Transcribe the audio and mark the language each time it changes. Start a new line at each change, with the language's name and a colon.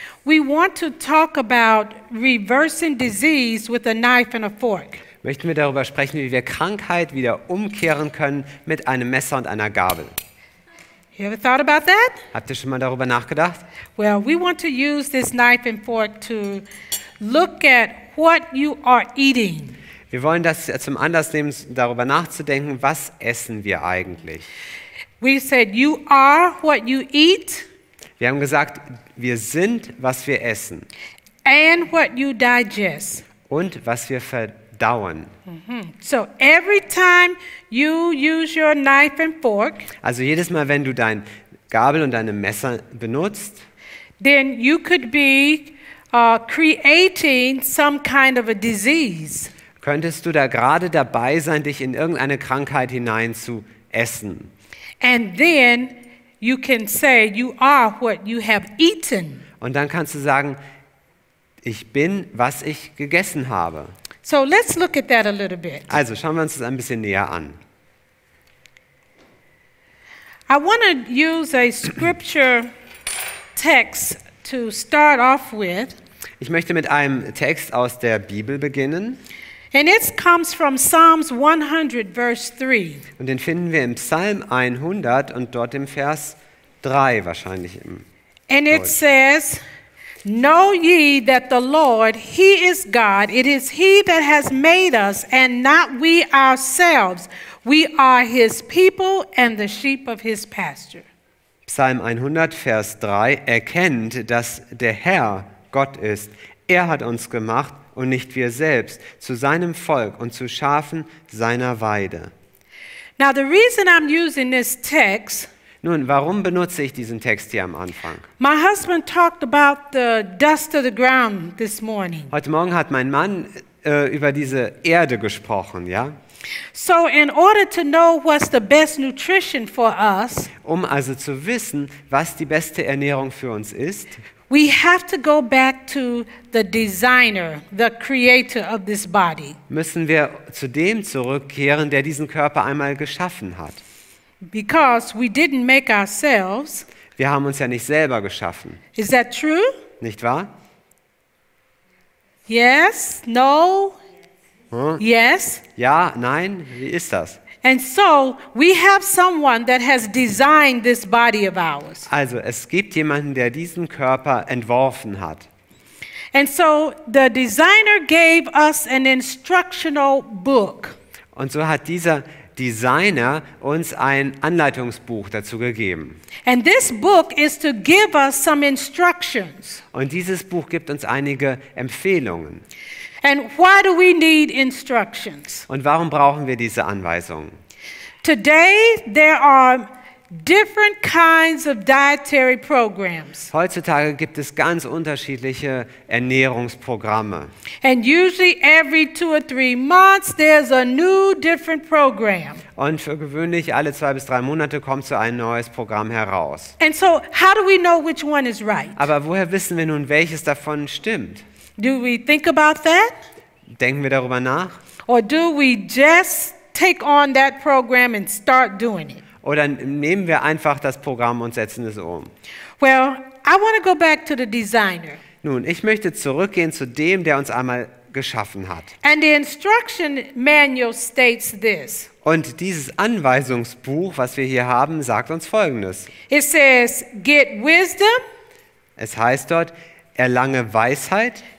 English: We want to talk about reversing disease with a knife and a fork.
German: Möchten wir darüber sprechen, wie wir Krankheit wieder umkehren können mit einem Messer und einer Gabel.
English: You ever thought about that?
German: Habt ihr schon mal darüber nachgedacht?
English: Well, we want to use this knife and fork to look at what you are eating.
German: Wir wollen das zum Anlass nehmen, darüber nachzudenken, was essen wir eigentlich?
English: We said you are what you eat.
German: Wir haben gesagt, wir sind, was wir essen.
English: And what you digest.
German: Und was wir verdauen.
English: So every time you use your knife and fork,
German: also jedes Mal, wenn du dein Gabel und deine Messer benutzt,
English: then you could be creating some kind of a disease.
German: Könntest du da gerade dabei sein, dich in irgendeine Krankheit hinein zu essen?
English: And then you can say you are what you have eaten.
German: Und dann kannst du sagen, ich bin, was ich gegessen habe.
English: So let's look at that a little bit.
German: Also schauen wir uns das ein bisschen näher an.
English: I want to use a scripture text to start off with.
German: Ich möchte mit einem Text aus der Bibel beginnen.
English: And it comes from Psalms 100, verse 3.
German: Und den finden wir im Psalm 100 und dort im Vers 3 wahrscheinlich im.
English: And it says, know ye that the Lord, he is God. It is he that has made us and not we ourselves. We are his people and the sheep of his pasture.
German: Psalm 100, Vers 3, erkennt, dass der Herr Gott ist. Er hat uns gemacht und nicht wir selbst, zu seinem Volk und zu Schafen seiner Weide.
English: Now the reason I'm using this text.
German: Nun, warum benutze ich diesen Text hier am Anfang?
English: My husband talked about the dust of the ground this morning.
German: Heute Morgen hat mein Mann über diese Erde gesprochen, ja?
English: So in order to know what's the best nutrition for us,
German: um also zu wissen, was die beste Ernährung für uns ist,
English: we have to go back to the designer, the creator of this body.
German: Müssen wir zu dem zurückkehren, der diesen Körper einmal geschaffen hat.
English: Because we didn't make ourselves.
German: Wir haben uns ja nicht selber geschaffen.
English: Is that true?
German: Nicht wahr?
English: Yes, no. Yes.
German: Ja, nein, wie ist das?
English: And so we have someone that has designed this body of ours.
German: Also, es gibt jemanden, der diesen Körper entworfen hat.
English: And so the designer gave us an instructional book.
German: Und so hat dieser Designer uns ein Anleitungsbuch dazu gegeben.
English: And this book is to give us some instructions.
German: Und dieses Buch gibt uns einige Empfehlungen.
English: And why do we need instructions?
German: Und warum brauchen wir diese Anweisungen?
English: Today there are different kinds of dietary programs.
German: Heutzutage gibt es ganz unterschiedliche Ernährungsprogramme.
English: And usually every two or three months there's a new different program.
German: Und für gewöhnlich alle zwei bis drei Monate kommt so ein neues Programm heraus.
English: And so how do we know which one is right?
German: Aber woher wissen wir nun, welches davon stimmt?
English: Do we think about that?
German: Denken wir darüber nach?
English: Or do we just take on that program and start doing it?
German: Oder nehmen wir einfach das Programm und setzen es um?
English: Well, I want to go back to the designer.
German: Nun, ich möchte zurückgehen zu dem, der uns einmal geschaffen hat.
English: And the instruction manual states this.
German: Und dieses Anweisungsbuch, was wir hier haben, sagt uns Folgendes.
English: It says, get wisdom.
German: Es heißt dort, erlange Weisheit.